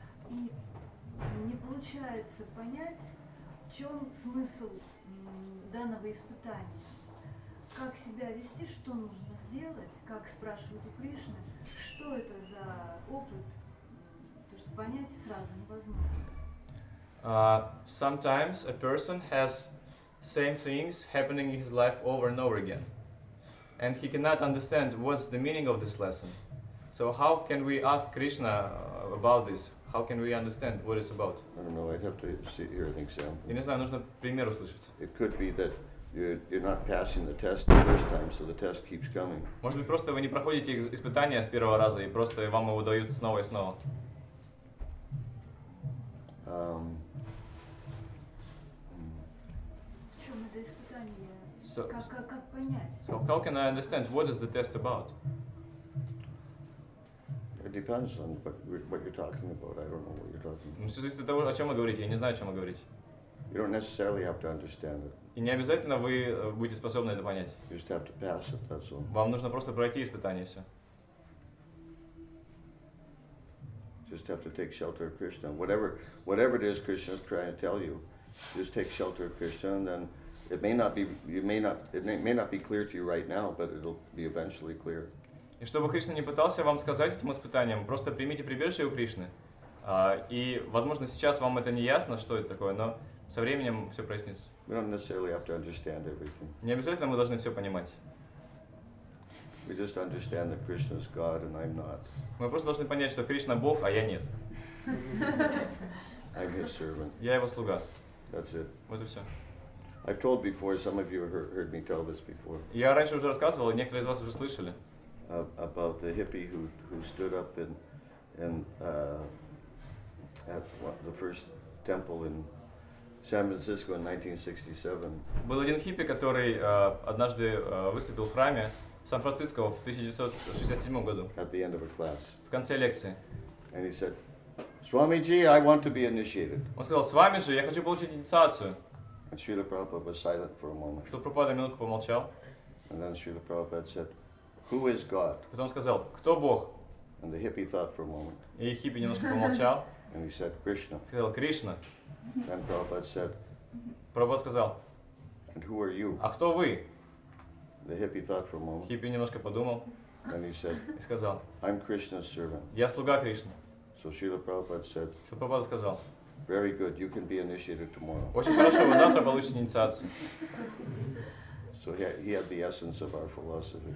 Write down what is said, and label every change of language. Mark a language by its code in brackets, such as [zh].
[ru] И не получается понять, в чем смысл данного испытания. Как себя вести, что нужно сделать, как спрашивают у Кришны, что это за опыт, то есть понять сразу невозможно. [en] Sometimes a person has same things happening in his life over and over again, and he cannot understand what's the meaning of this lesson. So how can we ask Krishna about this? How can we understand what it's about? I don't know, I'd have to hear an example. [ru] Я не знаю, нужно пример услышать. [en] It could be that you're not passing the test the first time, so the test keeps coming. [ru] Может быть, просто вы не проходите испытания с первого раза, и просто вам его дают снова и снова. [en] So, how can I understand what is the test about? It depends on what you're talking about. I don't know what you're talking about. [ru] Ну, в зависимости от того, о чем вы говорите, я не знаю, о чем вы говорите. [en] You don't necessarily have to understand it. [ru] И не обязательно вы будете способны это понять. [en] You just have to pass it, that's all. [ru] Вам нужно просто пройти испытание, все. [en] just have to take shelter of Krishna. Whatever it is Krishna is trying to tell you, just take shelter of Krishna, and then it may not be clear to you right now, but it'll be eventually clear. [ru] И чтобы Кришна не пытался вам сказать этим испытанием, просто примите прибежище у Кришны. И, возможно, сейчас вам это не ясно, что это такое, но со временем все прояснится. [en] We don't necessarily have to understand everything. [ru] Не обязательно мы должны все понимать. [en] We just understand that Krishna is God and I'm not. [ru] Мы просто должны понять, что Кришна Бог, а я нет. [en] I'm his servant. [ru] Я его слуга. [en] That's it. [ru] Вот и все. [en] I've told before, some of you heard me tell this before. [ru] Я раньше уже рассказывал, некоторые из вас уже слышали. [en] About the hippie who stood up at the first temple in San Francisco in 1967. [ru] Был один хиппи, который однажды выступил в храме в Сан-Франциско в 1967 году. [en] At the end of a class. [ru] В конце лекции. [en] And he said, "Swamiji, I want to be initiated." [ru] Он сказал: "Свамиджи, я хочу получить инициацию." [en] And Srila Prabhupada was silent for a moment. [ru] Шрила Прабхупада минутку помолчал. [en] And then Srila Prabhupada said, "Who is God?" [ru] Потом сказал: "Кто Бог?" [en] And the hippie thought for a moment. [ru] И хиппи немножко помолчал. [en] And he said, "Krishna." [ru] Сказал: "Кришна." [en] Then Prabhupada said, [ru] Prabhupada сказал: [en] "And who are you?" [ru] А кто вы? [en] The hippie thought for a moment. [ru] Хиппи немножко подумал. [en] And he said, [ru] и сказал: [en] "I'm Krishna's servant." [ru] Я слуга Кришны. [en] So Srila Prabhupada said, [ru] Прабхупада сказал: [en] "Very good. You can be initiated tomorrow." [ru] Очень хорошо, вы завтра получите инициацию. [en] So he had the essence of our philosophy.